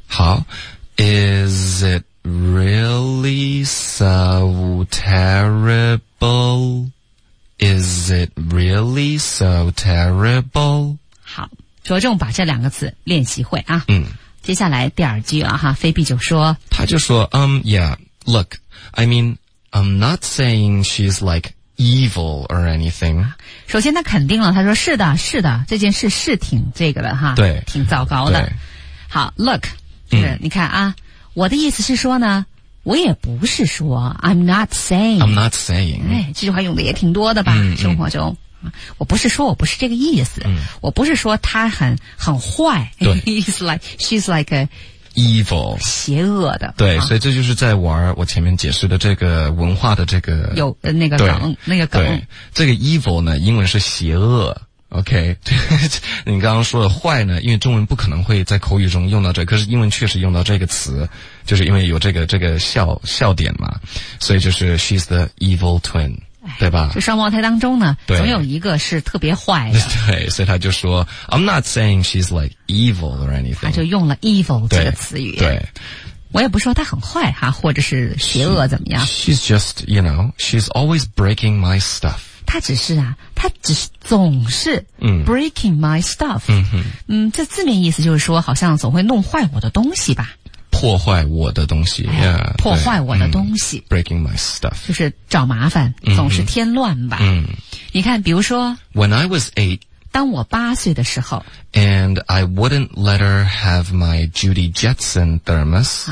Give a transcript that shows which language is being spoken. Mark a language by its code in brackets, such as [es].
[en] 好 ，Is it really so terrible？ Is it really so terrible? [zh] 好，着重把这两个词练习会啊。嗯，接下来第二句啊哈，菲比就说，他就说 [en] yeah, look, I mean, I'm not saying she's like evil or anything. [zh] 首先他肯定了，他说是的，是的，这件事是挺这个的哈，对，挺糟糕的。好 ， [en] look, [zh] 就是你看啊，我的意思是说呢。我也不是说 [en] I'm not saying I'm not saying [zh] 哎，这句话用的也挺多的吧，生活中我不是说，我不是这个意思，我不是说她很坏，对 [en] ，is like she's like a evil [zh] 邪恶的，对，所以这就是在玩我前面解释的这个文化的这个有那个梗，那个梗，这个 evil 呢英文是邪恶。OK， 你刚刚说的坏呢，因为中文不可能会在口语中用到这个，可是英文确实用到这个词，就是因为有这个笑点嘛，所以就是 [en] she's the evil twin， [zh] 对吧？这双胞胎当中呢，对，总有一个是特别坏的。对，所以他就说 [en] I'm not saying she's like evil or anything， [zh] 他就用了 evil 这个词语。对，我也不说他很坏哈，或者是邪恶怎么样。 [en] She's just you know she's always breaking my stuff。 [zh] 他只是啊，他只是总是 [en] breaking my stuff， [zh] 这字面意思就是说好像总会弄坏我的东西吧，破坏我的东西、哎、 [en] yeah, [zh] 破坏我的东西 [en] breaking my stuff [zh] 就是找麻烦，总是添乱吧。你看比如说 [en] when I was 8， [zh] 当我八岁的时候 [en] ，and I wouldn't let her have my Judy Jetson thermos